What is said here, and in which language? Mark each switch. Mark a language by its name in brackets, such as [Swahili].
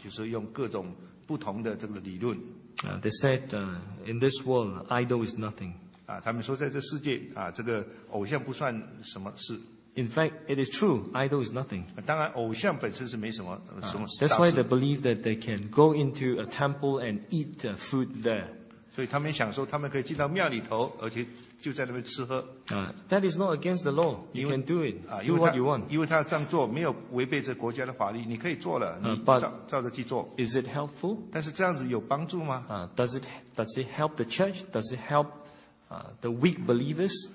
[Chinese] 那么他可以呢为自己的辩护，就是用各种不同的这个理论。 [English] They said in this world, idol is nothing. [Chinese] 他们说在这世界，这个偶像不算什么事。 [English] In fact, it is true, idol is nothing. [Chinese] 当然偶像本身是没什么, [English] that's why they believe that they can go into a temple and eat food there. [Chinese] 所以他们享受他们可以进到庙里头，而且就在那边吃喝。 [English] That is not against the law. You [Chinese] 因为, [English] can do it. Do what you want. [Chinese] 因为他这样做没有违背这国家的法律，你可以做了，你照着去做。 [English] Is it helpful? [Chinese] 但是这样子有帮助吗？ [English] Does it help the church? Does it help the weak believers?